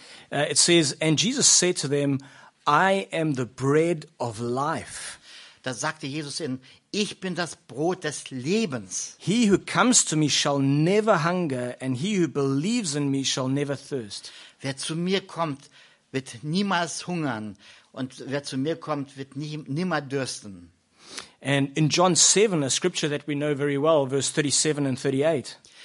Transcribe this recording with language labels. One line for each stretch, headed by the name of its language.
English: It says, and Jesus said to them, I am the bread of life.
German: Da sagte Jesus ihnen, ich bin das Brot des Lebens.
English: He who comes to me shall never hunger, and he who believes in me shall never thirst.
German: Wer zu mir kommt, wird niemals hungern, und wer zu mir kommt, wird nimmer dürsten.
English: And in John 7, a scripture that we know very well, verse 37 and 38.